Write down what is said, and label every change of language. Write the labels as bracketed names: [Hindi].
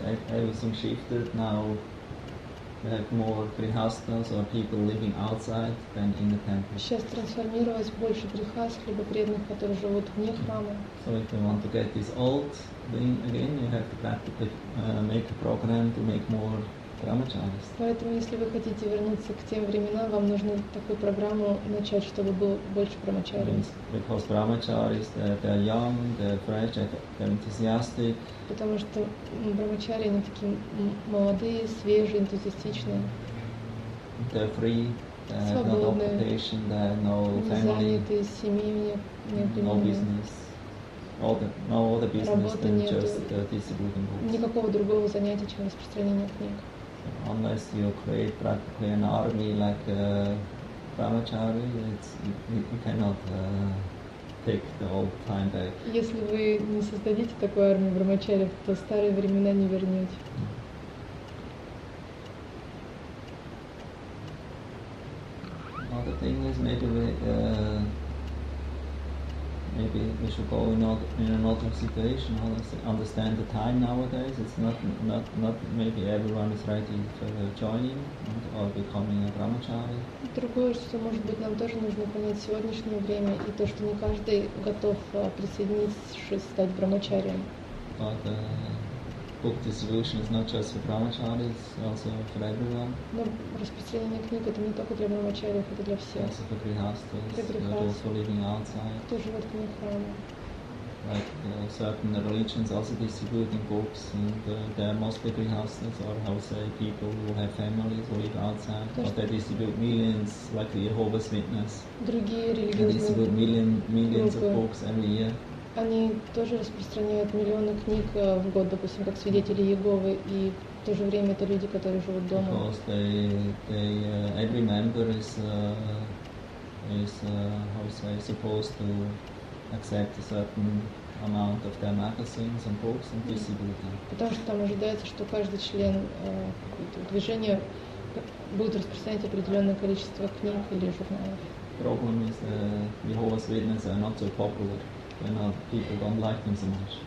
[English] Everything shifted now. We have more grihasthas or people living outside than in the temple. [Russian] Сейчас трансформировалось больше грихаст, либо преданных, которые живут вне храма. [English] So if you want to get this old thing again, you have to practically make a program to make more brahmacharis. [Russian] Поэтому, если вы хотите вернуться к тем временам, вам нужно такую программу начать, чтобы было больше брамачарис. [English] Because brahmacharis, they're young, they're fresh, they're enthusiastic. [Russian] Потому что брамачари, они такие молодые, свежие, энтузиастичные. [English] They're free, [Russian] свободные, [English] no occupation, they have no family, [Russian] занятые, семьи, [English] no business. All the business than just distributing books. [Russian] Никакого другого занятия, чем распространение книг. [English] Unless you create practically an army like a brahmachari, you cannot take the old time back. [Russian] Если вы не создадите такую армию брамачари, то старые времена не вернете. [English] Another thing is maybe we should go in another situation. Understand the time nowadays. It's not maybe everyone is ready to join or becoming a brahmachari. [Russian] Другое, что может быть нам тоже нужно понять сегодняшнее время и то, что не каждый готов присоединиться, стать брамачари. [English] But book distribution is not just for brahmachari, it's also for everyone. [Russian] Но распространение книг это не только для брамачари, это для всех. [English] Also for grihasthas, for living outside. [Russian] Кто живет вне храма. [English] Like certain religions also distributing books, and they are mostly grihasthas, or how say people who have families who live outside, but they distribute millions, like the Jehovah's Witness. [Russian] Другие религиозные. [English] They distribute millions of books every year. [Russian] Они тоже распространяют миллионы книг в год, допустим, как свидетели Иеговы, и в то же время это люди, которые живут дома. [English] Because they every member is supposed to accept a certain amount of their magazines and books and distribute them. [Russian] Потому что там ожидается, что каждый член движения будет распространять определенное количество книг или журналов. [English] Problem is Jehovah's Witnesses are not so popular. People don't like them so much.